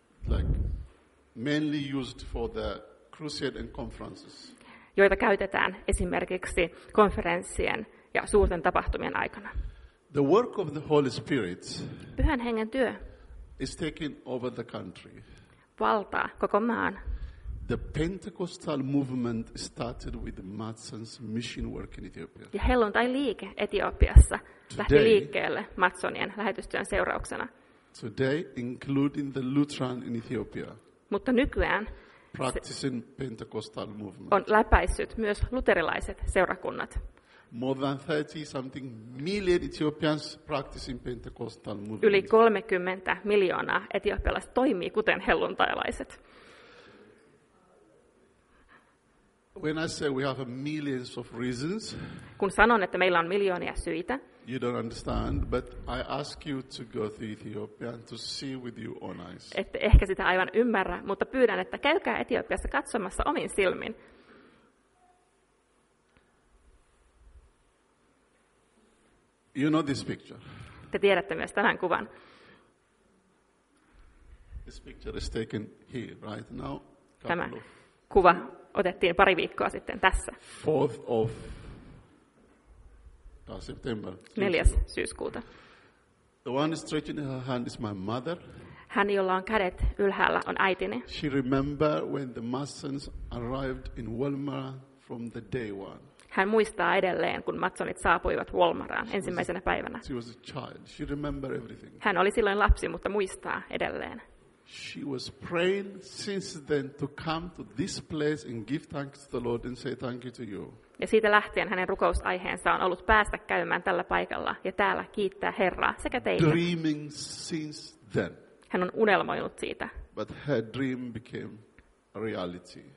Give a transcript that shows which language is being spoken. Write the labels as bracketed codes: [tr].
[en] Like mainly used for the crusade and conferences. [fi] Joita käytetään esimerkiksi konferenssien ja suurten tapahtumien aikana. [en] The work of the Holy Spirit. [fi] Pyhän Hengen työ. [en] Is taking over the country. [fi] Valtaa koko maan. [en] The Pentecostal movement started with Matson's mission work in Ethiopia. [fi] Ja helluntailiike Etiopiassa lähti liikkeelle Matsonien lähetystyön seurauksena. [en] Today, including the Lutheran in Ethiopia. [fi] Mutta nykyään [en] practicing Pentecostal movement. [fi] On läpäissyt myös luterilaiset seurakunnat. [en] More than 30 something million Ethiopians practicing Pentecostal movement. [fi] Yli 30 miljoonaa etiopialaiset toimii kuten helluntailaiset. [en] When I say we have millions of reasons. [fi] Kun sanon, että meillä on miljoonia syitä. [en] You don't understand, but I ask you to go to Ethiopia and to see with your own eyes. [fi] Ette ehkä sitä aivan ymmärrä, mutta pyydän, että käykää Etiopiassa katsomassa omin silmin. [en] You know this picture. [fi] Te tiedätte myös tämän kuvan. [en] This picture is taken here right now. [fi] Tämä kuva otettiin pari viikkoa sitten tässä. [en] 4th of September. [fi] 4. syyskuuta. [en] The one stretching her hand is my mother. [fi] Hän, jolla on kädet ylhäällä, on äitini. [en] She remember when the Massons arrived in Walmart from the day one. [fi] Hän muistaa edelleen, kun Matsonit saapuivat Walmaraan ensimmäisenä päivänä. [en] She was a child. She remembered everything. [fi] Hän oli silloin lapsi, mutta muistaa edelleen. [en] She was praying since then to come to this place and give thanks to the Lord and say thank you to you. [fi] Ja siitä lähtien hänen rukousaiheensa on ollut päästä käymään tällä paikalla ja täällä kiittää Herraa sekä teille. [en] Dreaming since then. [fi] Hän on unelmoinut siitä. [en] But her dream became reality.